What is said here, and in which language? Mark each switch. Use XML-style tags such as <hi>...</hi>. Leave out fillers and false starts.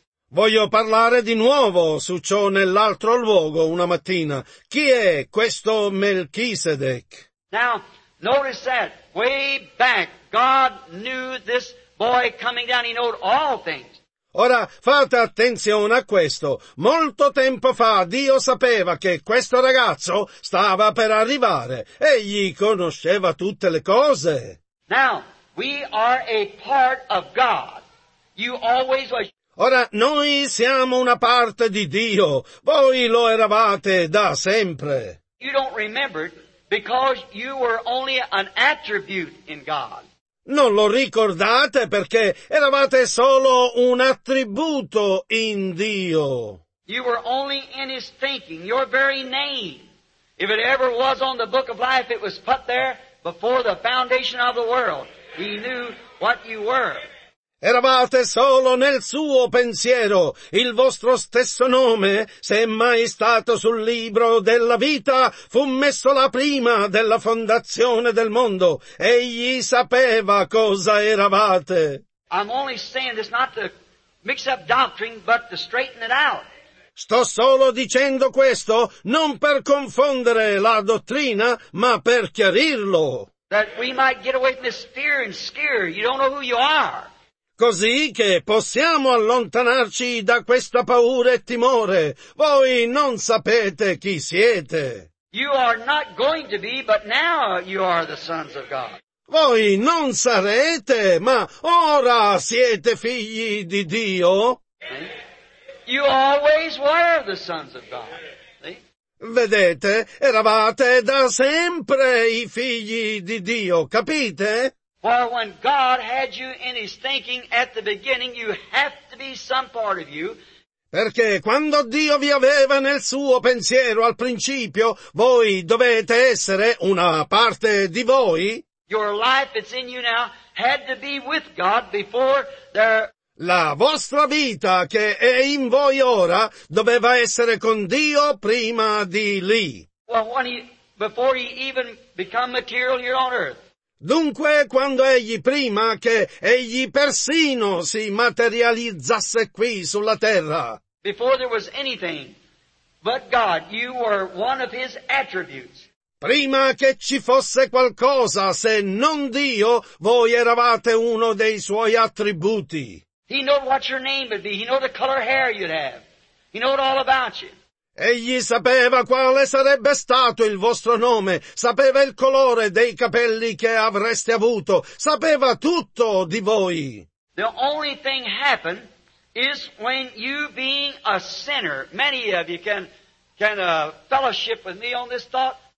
<it>Voglio parlare di nuovo su ciò nell'altro luogo una mattina. Chi è questo Melchisedec?</it> <en>Now, notice that way back, God knew this boy coming down. He knew all things.</en> <it>Ora, fate attenzione a questo. Molto tempo fa Dio sapeva che questo ragazzo stava per arrivare. Egli conosceva tutte le cose.</it> <en>Now, we are a part of God. You always was.</en> <it>Ora, noi siamo una parte di Dio. Voi lo eravate da sempre.</it> <en>You don't remember because you were only an attribute in God.</en> <it>Non lo ricordate perché eravate solo un attributo in Dio.</it> <en>You were only in His thinking, your very name. If it ever was on the book of life, it was put there before the foundation of the world. He knew what you were.</en> <it>Eravate solo nel suo pensiero. Il vostro stesso nome, se mai stato sul libro della vita, fu messo la prima della fondazione del mondo. Egli sapeva cosa eravate.</it> <en>I'm only saying this not to mix up doctrine, but to straighten it out.</en> <it>Sto solo dicendo questo non per confondere la dottrina, ma per chiarirlo.</it> <en>That we might get away from this fear and scare. You don't know who you are.</en> <it>Così che possiamo allontanarci da questa paura e timore. Voi non sapete chi siete.</it> <en>You are not going to be, but now you are the sons of God.</en> <it>Voi non sarete, ma ora siete figli di Dio.</it> <en>You always were the sons of God.</en> <it>Vedete, eravate da sempre i figli di Dio, capite?</it> <en>For when God had you in His thinking at the beginning, you have to be some part of you.</en> <it>Perché quando Dio vi aveva nel suo pensiero al principio, voi dovete essere una parte di voi.</it> <en>Your life that's in you now had to be with God before there.</en> <it>La vostra vita che è in voi ora doveva essere con Dio prima di lì.</it> <en>Well, before He even become material here on earth.</en> <it>Dunque, quando egli, prima che egli persino si materializzasse qui sulla terra,</it> <en>before there was anything but God, you were one of His attributes.</en> <it>Prima che ci fosse qualcosa se non Dio, voi eravate uno dei suoi attributi.</it> <en>He knew what your name would be. He knew the color hair you'd have. He knew all about you.</en> <it>Egli sapeva quale sarebbe stato il vostro nome, sapeva il colore dei capelli che avreste avuto, sapeva tutto di voi.</it> <en>The only thing happened is when you being a sinner, many of you can fellowship with me on this thought.</en>